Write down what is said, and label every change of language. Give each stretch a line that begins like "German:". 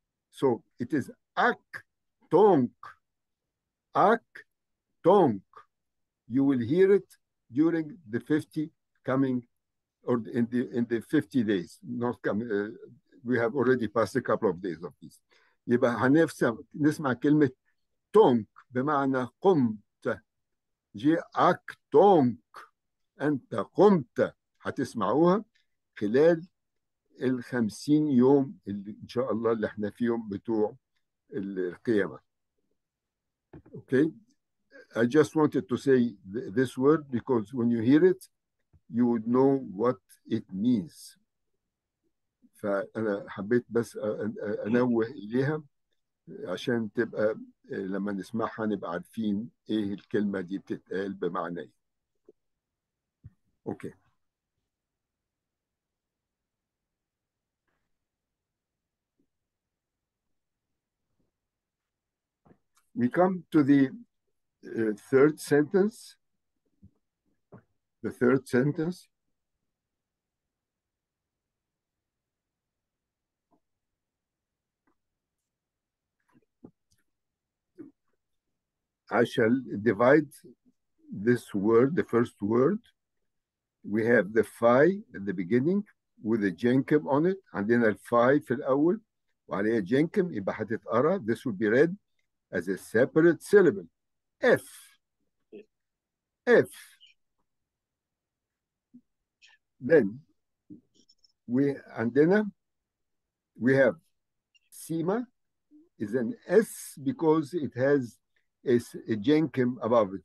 English: So it is ak tonk, you will hear it during the 50 coming, or in the 50 days, not coming, we have already passed a couple of days of this.
Arabic: يبقى هنسمع كلمة tonk بمعنى قمت. جي ak tonk, أنت قمت, هتسمعوها خلال الخمسين يوم اللي إن شاء الله اللي احنا فيهم بتوع القيامة.
English: Okay, I just wanted to say this word because when you hear it you would know what it means.
Arabic: فأنا حبيت بس أنوه إليها عشان تبقى لما نسمعها نبقى عارفين إيه الكلمة دي بتتقال بمعنى إيه.
English: Okay. We come to the third sentence. The third sentence. I shall divide this word, the first word. We have the phi at the beginning with the jenkem on it. And then
Arabic: الفاي في الأول وعليها جنكم يبقى هتتقرا.
English: This will be read as a separate syllable. F. F. Then we andena. We have sima is an S because it has a jenkem above it.